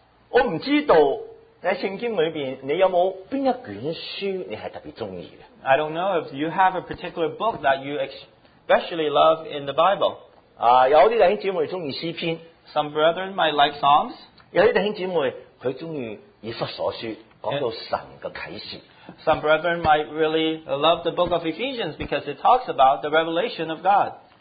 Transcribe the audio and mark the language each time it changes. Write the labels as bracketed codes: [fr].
[zh] 我不知道在圣经里面,你有没有哪一卷书你是特别喜欢的? [en] I don't know if you have a particular book that you especially love in the Bible. [zh] 有些弟兄姊妹喜欢诗篇, [en] some brethren might like Psalms. [zh] 有些弟兄姊妹喜欢以弗所书,讲到神的启示。 [en] Some brethren might really love the book of Ephesians because it talks about the revelation of God.